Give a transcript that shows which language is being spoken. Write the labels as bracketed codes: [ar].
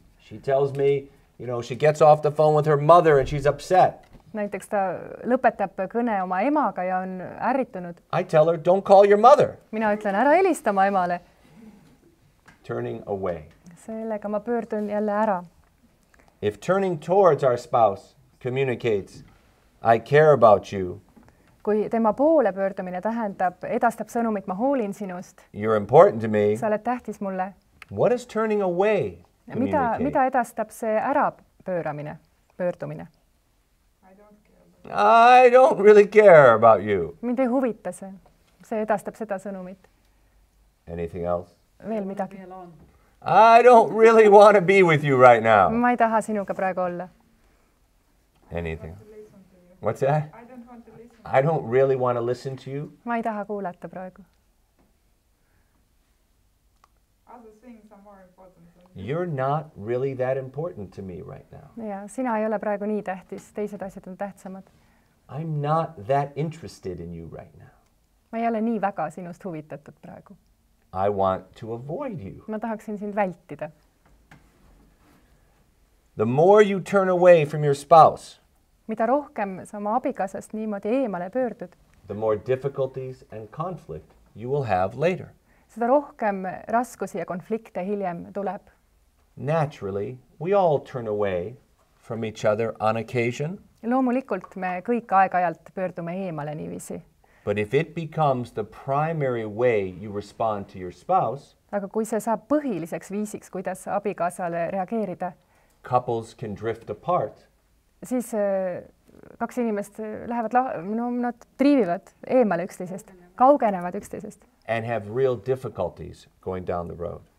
[en] She tells me, she gets off the phone with her mother and she's upset. [et] Näiteks ta lõpetab kõne oma emaga ja on ärritunud. [en] I tell her, don't call your mother. [et] Mina ütlen, ära helista oma emale. [en] Turning away. [et] Sellega ma pöördun jälle ära. [en] If turning towards our spouse communicates, I care about you. [et] Kui tema poole pöördumine tähendab, edastab sõnumit, ma hoolin sinust. [en] You're important to me. [et] Sa oled tähtis mulle. [en] What is turning away communicate? [et] Mida edastab see ära pööramine, pöördumine? [en] I don't really care about you. [et] Mind ei huvita see. See edastab seda sõnumit. [en] Anything else? [et] Veel midagi. [en] I don't really want to be with you right now. [et] Ma ei taha sinuga praegu olla. [en] Anything. What's that? I don't want to listen. I don't really want to listen to you. [et] Ma ei taha kuulata praegu. [en] Other things are more important. You're not really that important to me right now. [et] Ja, sina ei ole praegu nii tähtis. Teised asjad on tähtsamad. [en] I'm not that interested in you right now. [et] Ma ei ole nii väga sinust huvitatud praegu. [en] I want to avoid you. [et] Ma tahaksin sind vältida. [en] The more you turn away from your spouse, [et] mida rohkem sa oma abikasast niimoodi eemale pöördud, [en] the more difficulties and conflict you will have later. [et] Seda rohkem raskusi ja konflikte hiljem tuleb. [en] Naturally, we all turn away from each other on occasion. [et] Loomulikult me kõik aegajalt pöördume eemale niivisi. [en] But if it becomes the primary way you respond to your spouse, [et] aga kui see saab põhiliseks viisiks, kuidas abikasale reageerida, [en] couples can drift apart. [et] Siis kaks inimest lähevad nad triivivad eemale üksteisest, kaugenevad üksteisest. [en] And have real difficulties going down the road.